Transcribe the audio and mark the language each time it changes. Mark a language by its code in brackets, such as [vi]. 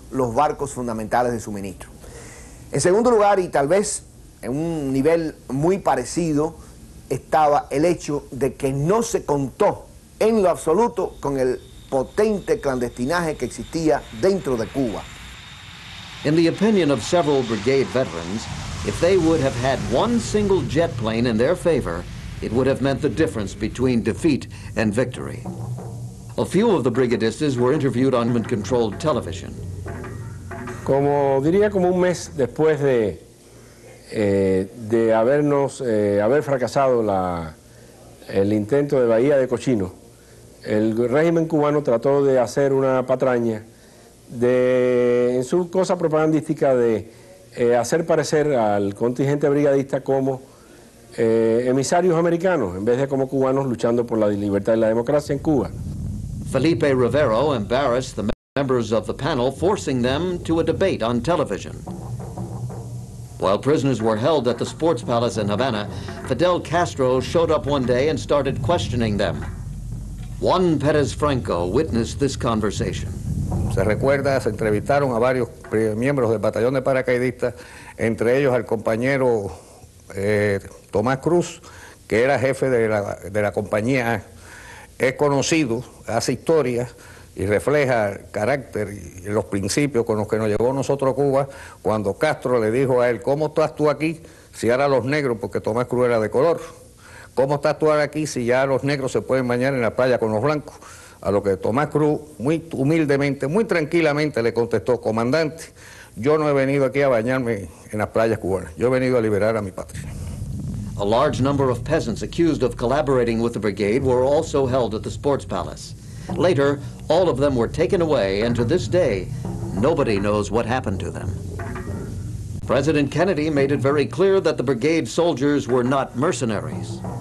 [es] los barcos fundamentales de suministro. En segundo lugar, y tal vez en un nivel muy parecido, estaba el hecho de que no se contó en lo absoluto con el potente clandestinaje que existía dentro de Cuba. [en] In the opinion of several brigade veterans, if they would have had one single jet plane in their favor, it would have meant the difference between defeat and victory. A few of the brigadistas were interviewed on uncontrolled television. [es] Como diría, como un mes después de haber fracasado el intento de Bahía de Cochino, el régimen cubano trató de hacer una patraña en su cosa propagandística de hacer parecer al contingente brigadista como emisarios americanos en vez de como cubanos luchando por la libertad y la democracia en Cuba. [en] Felipe Rivero embarrassed the members of the panel, forcing them to a debate on television. While prisoners were held at the Sports Palace in Havana, Fidel Castro showed up one day and started questioning them. Juan Pérez Franco witnessed this conversation. [es] Se recuerda, se entrevistaron a varios miembros del batallón de paracaidistas, entre ellos al compañero Tomás Cruz, que era jefe de la compañía. Es conocido, hace historia y refleja el carácter y los principios con los que nos llevó nosotros a Cuba, cuando Castro le dijo a él, ¿cómo estás tú aquí si ahora los negros, porque Tomás Cruz era de color, cómo estás tú ahora aquí si ya los negros se pueden bañar en la playa con los blancos? A lo que Tomás Cruz muy humildemente, muy tranquilamente le contestó, comandante, yo no he venido aquí a bañarme en las playas cubanas, yo he venido a liberar a mi patria. [en] A large number of peasants accused of collaborating with the brigade were also held at the Sports Palace. Later, all of them were taken away, and to this day, nobody knows what happened to them. President Kennedy made it very clear that the brigade soldiers were not mercenaries.